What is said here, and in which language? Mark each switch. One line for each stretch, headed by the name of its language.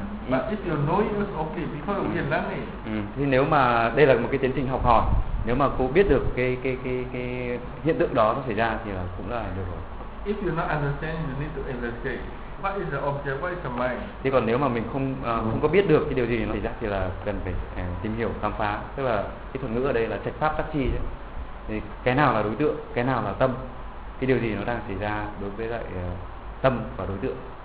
English: But if you know it, it's okay because we are learning.
Vietnamese: Thì nếu mà đây là một cái tiến trình học hỏi. Nếu mà cô biết được cái hiện tượng đó nó xảy ra thì là cũng là được rồi.
English: If you not understand, you need to investigate. What is the object? What is the mind?
Vietnamese: Thì còn nếu mà mình không không có biết được cái điều gì nó xảy ra thì là cần phải tìm hiểu, khám phá. Tức là cái thuật ngữ ở đây là trạch pháp tác chi. Thì cái nào là đối tượng, cái nào là tâm, cái điều gì nó đang xảy ra đối với lại tâm và đối tượng.